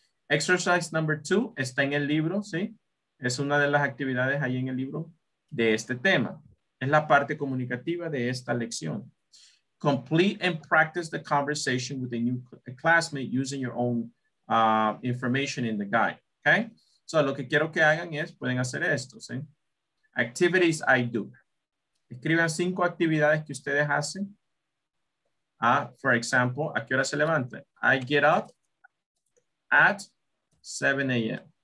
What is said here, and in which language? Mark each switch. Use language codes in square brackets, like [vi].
[en] Exercise number two [es] está en el libro, ¿sí? Es una de las actividades ahí en el libro de este tema. Es la parte comunicativa de esta lección. [en] Complete and practice the conversation with a new classmate using your own information in the guide, okay? [es] So lo que quiero que hagan es, pueden hacer esto, ¿sí? [en] Activities I do. [es] Escriban cinco actividades que ustedes hacen. [en] For example, [es] ¿a qué hora se levantan? [en] I get up at 7 a.m.